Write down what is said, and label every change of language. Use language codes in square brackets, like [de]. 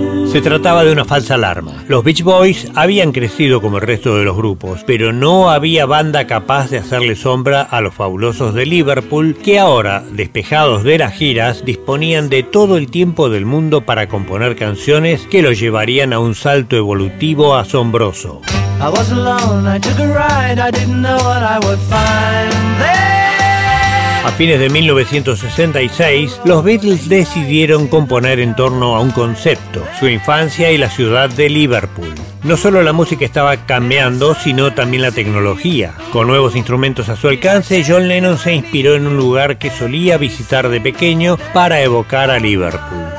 [es] Se trataba de una falsa alarma. Los Beach Boys habían crecido como el resto de los grupos, pero no había banda capaz de hacerle sombra a los Fabulosos de Liverpool, que ahora, despejados de las giras, disponían de todo el tiempo del mundo para componer canciones que los llevarían a un salto evolutivo asombroso. [en] I was alone, I took a ride, I didn't know what I would find there. [es] A fines de 1966, los Beatles decidieron componer en torno a un concepto, su infancia y la ciudad de Liverpool. No solo la música estaba cambiando, sino también la tecnología. Con nuevos instrumentos a su alcance, John Lennon se inspiró en un lugar que solía visitar de pequeño para evocar a Liverpool.